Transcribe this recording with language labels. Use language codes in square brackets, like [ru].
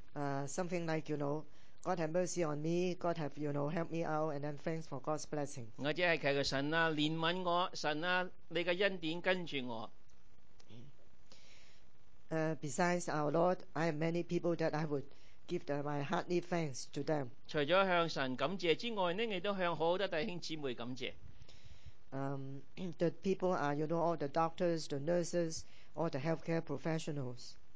[en] Something like, you know, God have mercy on me, God have, you know, help me out, and then thanks for God's blessing. [yue] 我只系祈求神啊，怜悯我，神啊，你嘅恩典跟住我。 [en] Besides our Lord, I have many people that I would give my hearty thanks to them. [yue] 除了向神感谢之外，你亦都向好多弟兄姊妹感谢。 [en] The people are, you know, all the doctors, the nurses, all the healthcare professionals.